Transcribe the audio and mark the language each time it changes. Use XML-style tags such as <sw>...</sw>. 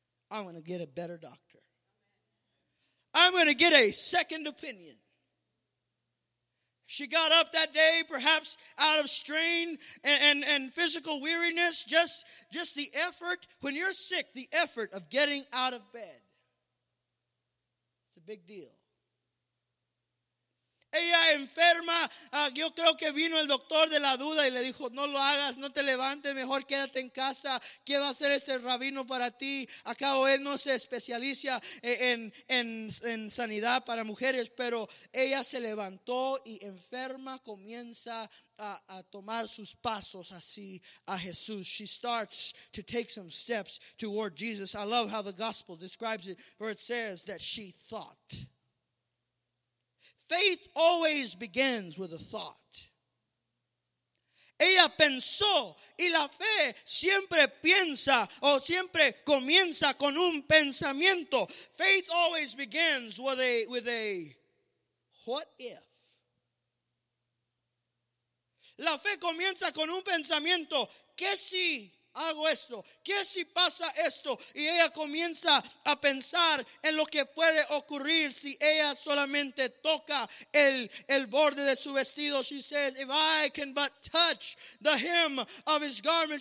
<en>I'm going to get a better doctor. I'm going to get a second opinion. She got up that day, perhaps out of strain and physical weariness, just the effort. When you're sick, the effort of getting out of bed, it's a big deal.</en> <es>Ella enferma, yo creo que vino el doctor de la duda y le dijo, no lo hagas, no te levantes, mejor quédate en casa. ¿Qué va a hacer este rabino para ti? Acabo, él no se especializa en sanidad para mujeres, pero ella se levantó y enferma comienza a tomar sus pasos así a Jesús.</es> <en>She starts to take some steps toward Jesus. I love how the gospel describes it, for it says that she thought. Faith always begins with a thought.</en> <es>Ella pensó, y la fe siempre piensa o siempre comienza con un pensamiento.</es> <en>Faith always begins with a what if.</en> <es>La fe comienza con un pensamiento. ¿Qué si hago esto? ¿Qué si pasa esto? Y ella comienza a pensar en lo que puede ocurrir si ella solamente toca el borde de su vestido.</es> <en>She says, if I can but touch the hem of his garment.</en>